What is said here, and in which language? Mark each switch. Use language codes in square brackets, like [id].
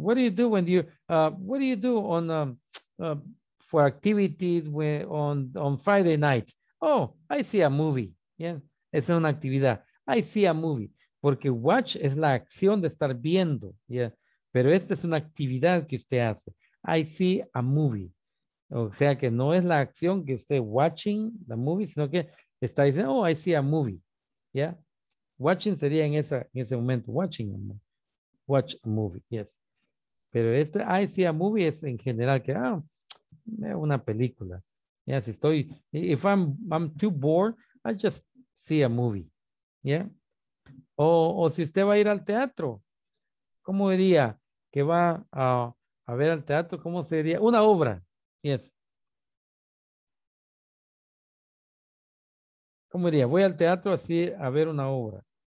[en] What do you do when you what do you do on for activities on Friday night? Oh, I see a movie. Yeah. [es] Esa es una actividad. [en] I see a movie. [es] Porque watch es la acción de estar viendo. Yeah. Pero esta es una actividad que usted hace. [en] I see a movie. [es] O sea que no es la acción que usted [en] watching the movie, [es] sino que está diciendo, oh, I see a movie. Yeah. [en] Watching [es] sería en ese momento, [en] watching a movie. Watch a movie, yes. [es] Pero este [en] I see a movie [es] es en general que una película. Yes, estoy. [en] If I'm too bored, I just see a movie. Yeah. [es] O si usted va a ir al teatro, ¿cómo diría que va a ver al teatro? ¿Cómo sería? Una obra. Yes. ¿Cómo diría? Voy al teatro así a ver una obra.